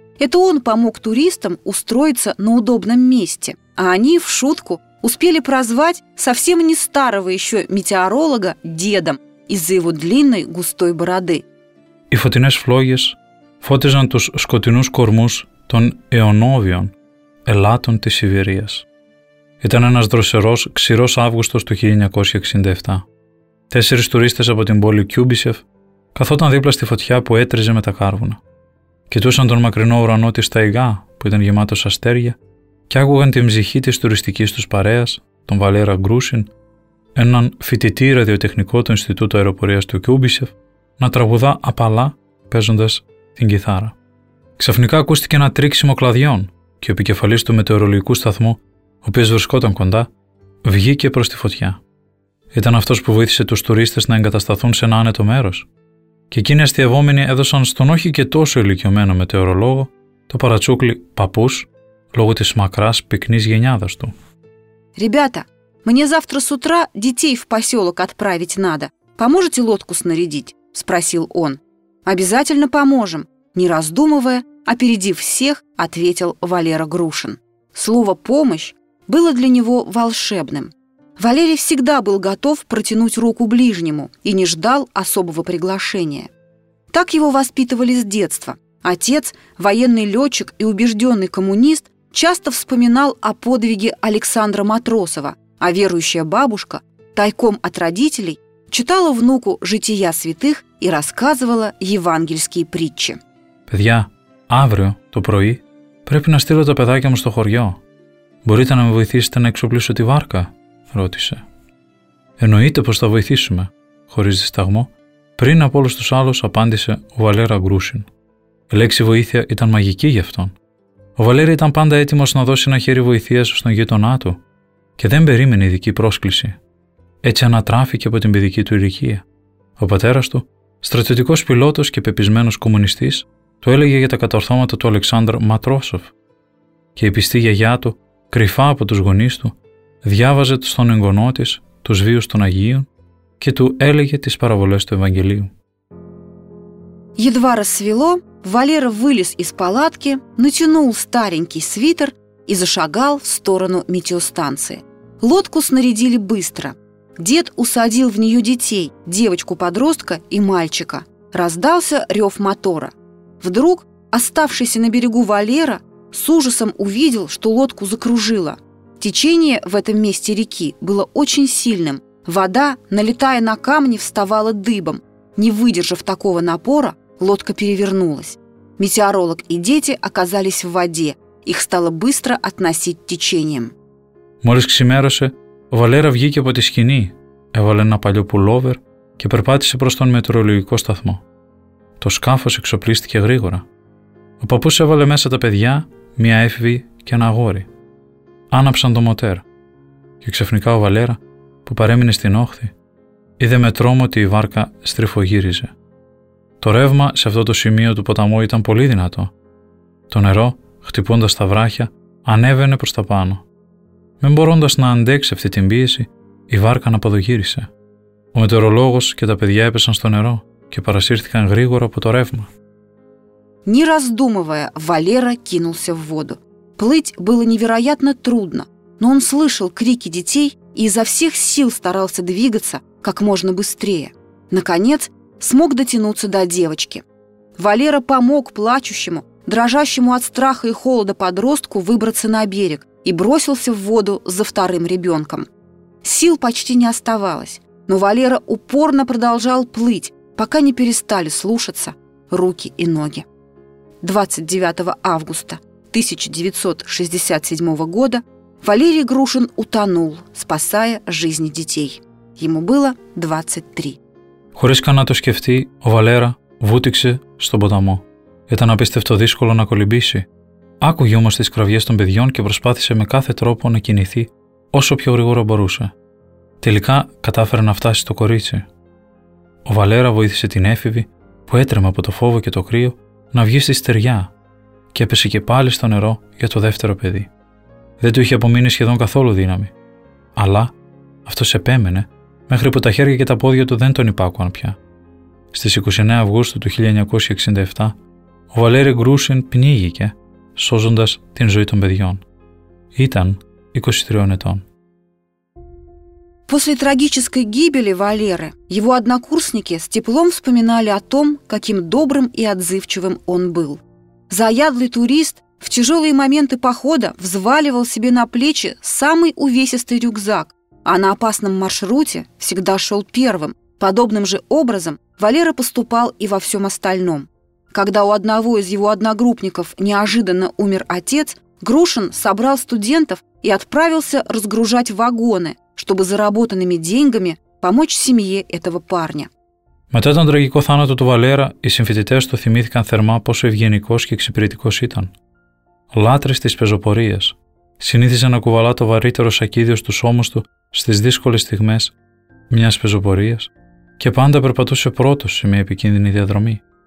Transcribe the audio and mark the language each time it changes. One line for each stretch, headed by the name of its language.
Russian: Это он помог туристам устроиться на удобном месте, а они, в шутку, успели прозвать совсем не старого еще метеоролога дедом из-за его длинной густой бороды.
Greek: И фотинес флогес фотизан тус скотинус кормус тон эоновион, ελάττων της Σιβηρίας. Ήταν ένας δροσερός, ξηρός Αύγουστος του 1967. Τέσσερις τουρίστες από την πόλη Κιούμπισεφ καθόταν δίπλα στη φωτιά που έτριζε με τα κάρβουνα. Κοιτούσαν τον μακρινό ουρανό της Ταϊγά, που ήταν γεμάτος αστέρια, και άκουγαν την ψυχή της τουριστικής τους παρέας, τον Βαλέρα Γκρούσιν, έναν φοιτητή ραδιοτεχνικό του Ινστιτούτου Αεροπορίας του Κιούμπισεφ, να τραγουδά απαλά παίζοντας την κιθάρα. Ξαφνικά ακούστηκε ένα τρίξιμο κλαδιών, και ο επικεφαλής του μετεωρολογικού σταθμού, ο οποίος βρισκόταν κοντά, βγήκε προς τη φωτιά. Ήταν αυτός που βοήθησε τους τουρίστες να εγκατασταθούν σε ένα άνετο μέρος. Και εκείνοι αστειευόμενοι έδωσαν στον όχι και τόσο ηλικιωμένο μετεωρολόγο το παρατσούκλι «παππούς» λόγω της μακράς πυκνής γενιάδας του.
Russian: «Ребята, мне завтра с утра детей в поселок отправить надо. Поможете лодку снарядить?» – спросил он. «Обязательно поможем, не раздумывая, опередив всех», ответил Валера Грушин. Слово «помощь» было для него волшебным. Валерий всегда был готов протянуть руку ближнему и не ждал особого приглашения. Так его воспитывали с детства. Отец, военный летчик и убежденный коммунист, часто вспоминал о подвиге Александра Матросова, а верующая бабушка, тайком от родителей, читала внуку жития святых и рассказывала евангельские притчи.
Greek: «Παιδιά, αύριο το πρωί πρέπει να στείλω τα παιδάκια μου στο χωριό. Μπορείτε να με βοηθήσετε να εξοπλίσω τη βάρκα?» ρώτησε. «Εννοείται πως θα βοηθήσουμε», χωρίς δισταγμό, πριν από όλους τους άλλους απάντησε ο Βαλέρα Γκρούσιν. Η λέξη βοήθεια ήταν μαγική για αυτόν. Ο Βαλέρη ήταν πάντα έτοιμος να δώσει ένα χέρι βοηθείας στον γείτονά του και δεν περίμενε ειδική πρόσκληση. Έτσι ανατράφηκε από την παιδική του ηλικία. Ο πατέρας του, στρατιωτικός πιλότος και πεπισμένος κομμουνιστής, του έλεγε για τα κατορθώματα του Αλεξάνδρ Ματρόσοφ. Και η πιστή γιαγιά του, κρυφά από τους γονείς του, διάβαζε στον εγγονό της τους βίους των Αγίων και του έλεγε τις παραβολές του Ευαγγελίου.
Russian: Едва рассвело, Валера вылез из палатки, натянул старенький свитер и зашагал в сторону метеостанции. Лодку снарядили быстро. Дед усадил в нее детей, девочку-подростка и мальчика. Раздался рев мотора. Вдруг оставшийся на берегу Валера с ужасом увидел, что лодку закружило. Течение в этом месте реки было очень сильным. Вода, налетая на камни, вставала дыбом. Не выдержав такого напора, лодка перевернулась. Метеоролог и дети оказались в воде. Их стало быстро относить течением.
Greek: Молись к семеросе, Валера вγήκε από τη σκηνή, έβαλε ένα παλιό πουλόβερ και περπάτησε προς τον μετεωρολογικό σταθμό. Το σκάφος εξοπλίστηκε γρήγορα. Ο παππούς έβαλε μέσα τα παιδιά, μία έφηβη και ένα αγόρι. Άναψαν το μοτέρ. Και ξαφνικά ο Βαλέρα, που παρέμεινε στην όχθη, είδε με τρόμο ότι η βάρκα στριφογύριζε. Το ρεύμα σε αυτό το σημείο του ποταμού ήταν πολύ δυνατό. Το νερό, χτυπώντας τα βράχια, ανέβαινε προς τα πάνω. Μην μπορώντας να αντέξει αυτή την πίεση, η βάρκα αναποδογύρισε. Ο μετεωρολόγος και τα παιδιά έπεσαν στο νερό και παρασύρθηκαν γρήγορα από το ρεύμα.
Russian: Не раздумывая, Валера кинулся в воду. Плыть было невероятно трудно, но он слышал крики детей и изо всех сил старался двигаться как можно быстрее. Наконец, смог дотянуться до девочки. Валера помог плачущему, дрожащему от страха и холода подростку выбраться на берег и бросился в воду за вторым ребенком. Сил почти не оставалось, но Валера упорно продолжал плыть, пока не перестали слушаться руки и ноги. 29 августа 1967 года Валерий Грушин утонул, спасая жизни детей. Ему было 23.
Greek: Χωρίς καν να το σκεφτεί, ο Βαλέρα βούτυξε στον ποταμό. Ήταν απίστευτο δύσκολο να κολυμπήσει. Άκουγε όμως τις κραυγές των παιδιών και προσπάθησε με κάθε τρόπο να κινηθεί όσο πιο γρήγορα μπορούσε. Τελικά κατάφερε να φτάσει στο κορίτσι. Ο Βαλέρα βοήθησε την έφηβη, που έτρεμε από το φόβο και το κρύο, να βγει στη στεριά και έπεσε και πάλι στο νερό για το δεύτερο παιδί. Δεν του είχε απομείνει σχεδόν καθόλου δύναμη. Αλλά αυτός επέμενε, μέχρι που τα χέρια και τα πόδια του δεν τον υπάκουαν πια. Στις 29 Αυγούστου του 1967, ο Βαλέρη Γκρούσιν πνίγηκε, σώζοντας την ζωή των παιδιών. Ήταν 23 ετών.
Russian: После трагической гибели Валеры, его однокурсники с теплом вспоминали о том, каким добрым и отзывчивым он был. Заядлый турист в тяжелые моменты похода взваливал себе на плечи самый увесистый рюкзак, а на опасном маршруте всегда шел первым. Подобным же образом Валера поступал и во всем остальном. Когда у одного из его одногруппников неожиданно умер отец, Грушин собрал студентов и отправился разгружать вагоны, чтобы заработанными деньгами помочь семье этого парня.
Greek: Μετά τον трагικό θάνατο του Βαλέρα, οι συμφοιτητές του θυμήθηκαν θερμά πόσο ευγενικός και εξυπηρετικός ήταν. Λάτρης της πεζοπορίας, συνήθιζε να κουβαλά το βαρύτερο σακίδιο στους ώμους του στις δύσκολες στιγμές μιας πεζοπορίας και πάντα περπατούσε πρώτος σε μια επικίνδυνη διαδρομή.